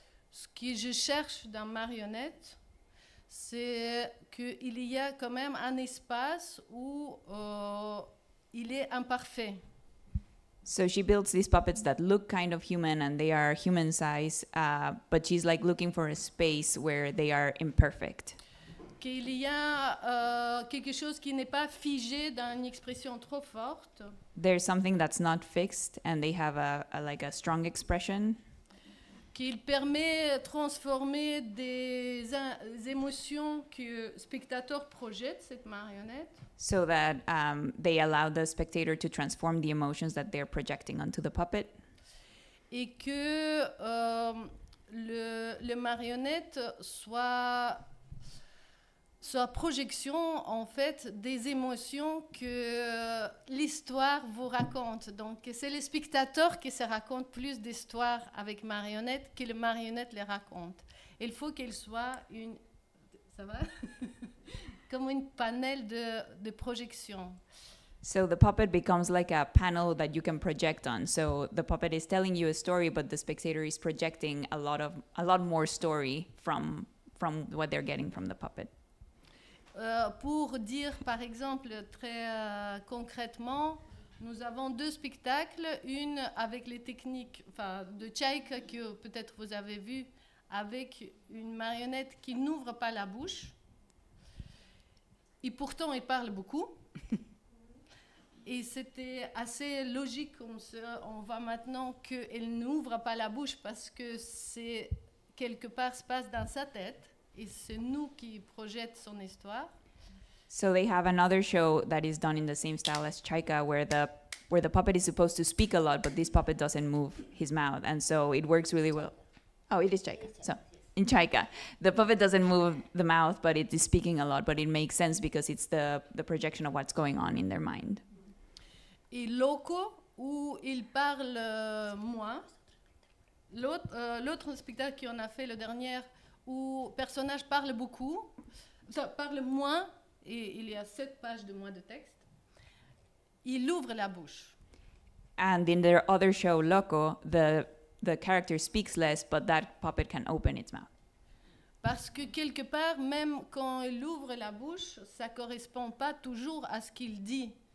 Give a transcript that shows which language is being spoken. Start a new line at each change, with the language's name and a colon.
French: Ce que je cherche dans marionnettes, c'est qu'il y a quand même un espace où il est imparfait.
English: So she builds these puppets that look kind of human and they are human size, but she's like looking for a space where they are imperfect.
French: Qu'il y a quelque chose qui n'est pas figé dans une expression trop forte.
English: There's something that's not fixed and they have a like a strong expression.
French: Qu'il permet de transformer des émotions que le spectateur projette, cette marionnette.
English: So that they allow the spectator to transform the emotions that they're projecting onto the puppet.
French: Et que le marionnette soit projection en fait des émotions que l'histoire vous raconte. Donc c'est le spectateur qui se raconte plus d'histoires avec marionnette que le marionnette les raconte. Il faut qu'elle soit une, ça va, comme une panel de projection.
English: So the puppet becomes like a panel that you can project on. So the puppet is telling you a story, but the spectator is projecting a lot more story from what they're getting from the puppet.
French: Pour dire, par exemple, très concrètement, nous avons deux spectacles, une avec les techniques de Chayka, que peut-être vous avez vu, avec une marionnette qui n'ouvre pas la bouche. Et pourtant, il parle beaucoup. Et c'était assez logique. On voit maintenant qu'elle n'ouvre pas la bouche parce que c'est quelque part se passe dans sa tête. Et c'est nous qui projette son histoire.
English: So they have another show that is done in the same style as Chayka, where the puppet is supposed to speak a lot, but this puppet doesn't move his mouth. And so it works really well. Oh, it is Chayka. So in Chayka, the puppet doesn't move the mouth, but it is speaking a lot. But it makes sense because it's the projection of what's going on in their mind.
French: Et Loco, où il parle moins. L'autre spectacle qu'on a fait, le dernier, où le personnage parle beaucoup, ça parle moins, et il y a 7 pages de moins de texte, il ouvre la bouche.
English: And in their other show, Loco, the character speaks less, but that puppet can open its mouth.
French: Parce que quelque part, même quand il ouvre la bouche, ça ne correspond pas toujours à ce qu'il dit.